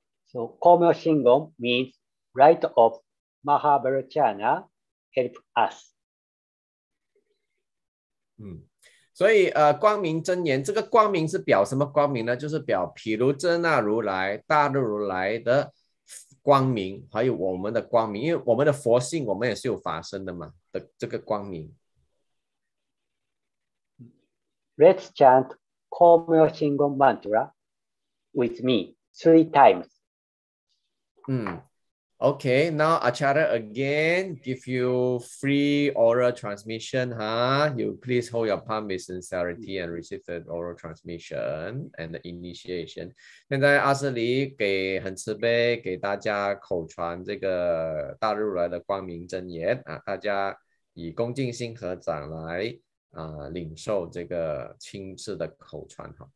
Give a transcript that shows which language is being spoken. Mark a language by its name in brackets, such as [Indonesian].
[English] So Komyo Shingon means right of Mahabharatana help us。 [Chinese] 所以光明真言，这个光明是表什么光明呢？就是表毗卢遮那如来大日如来的光明，还有我们的光明，因为我们的佛性我们也是有法身的嘛的这个光明。 [English] Let's chant Komyo Shingon Mantra with me three times. Okay, now Acharya again give you free oral transmission. You please hold your palm with sincerity and receive the oral transmission and the initiation. [Chinese] 现在阿舍离给很慈悲给大家口传这个大日如来的光明真言、啊、大家以恭敬心合掌来、领受这个亲自的口传。